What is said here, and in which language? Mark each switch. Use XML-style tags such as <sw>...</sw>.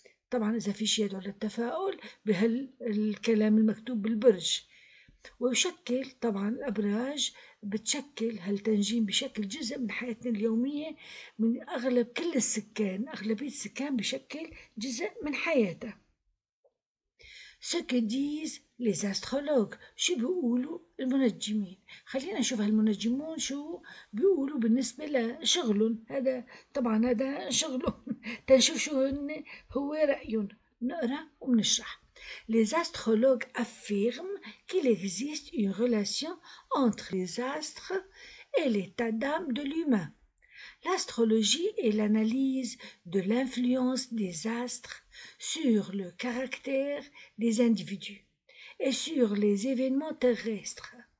<ar>طبعا إذا في شيء يدعو للتفاؤل بهالكلام المكتوب بالبرج. ويشكل طبعا الأبراج، بتشكل هالتنجيم بشكل جزء من حياتنا اليومية، من أغلب كل السكان، أغلبية السكان بشكل جزء من حياته.</ar> <fr>Ce que disent les astrologues,</fr> <ar>شو بيقولوا المنجمين. خلينا نشوف هالمنجمون شو بيقولوا بالنسبة لشغلهم. هذا طبعا هذا شغلهم، تنشوف شو هو رأيهم، نقرأ ومنشرح.</ar> <fr>Les astrologues affirment qu'il existe une relation entre les astres et l'état d'âme de l'humain. L'astrologie est l'analyse de l'influence des astres sur le caractère des individus et sur les événements terrestres.</fr>